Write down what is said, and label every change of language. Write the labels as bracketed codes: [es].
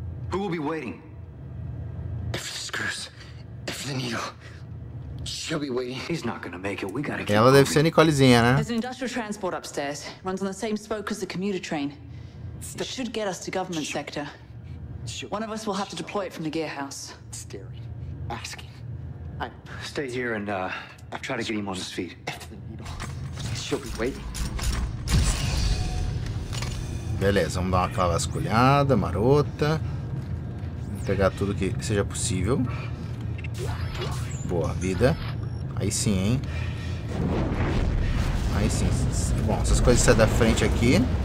[pt] O que é step 4? Quem vai esperar? [en] for the needle. She'll be waiting. She's not gonna make it. We gotta get. [pt] Ela deve ser Nicolezinha, né? [en] There's an industrial transport upstairs. Runs on the same spoke as the commuter train. It should get us to government sector. One of us will have to deploy it from the gearhouse. Staring, asking. I stay here and I'll try to get him on his feet. She'll be waiting. [pt] Beleza, vamos dar uma clavasculhada, marota. Vamos pegar tudo que seja possível. Boa, vida. Aí sim, hein? Aí sim. Bom, essas coisas saem da frente aqui.